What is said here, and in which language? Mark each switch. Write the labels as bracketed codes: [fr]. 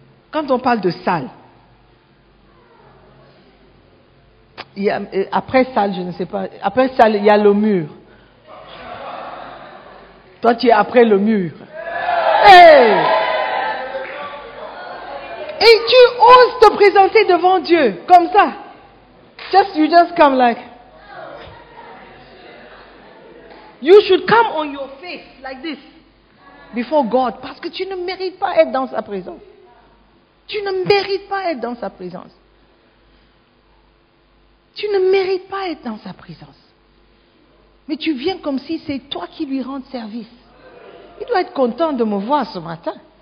[fr] Quand on parle de salle, après salle, je ne sais pas. Après salle, il y a le mur. Toi, tu es après le mur. Hey! Et tu oses te présenter devant Dieu comme ça. [en] Just, you just come like. You should come on your face like this before God. [fr] Parce que tu ne mérites pas être dans sa présence. Tu ne mérites pas être dans sa présence. Tu ne mérites pas être dans sa présence. Mais tu viens comme si c'est toi qui lui rends service. Il doit être content de me voir ce matin.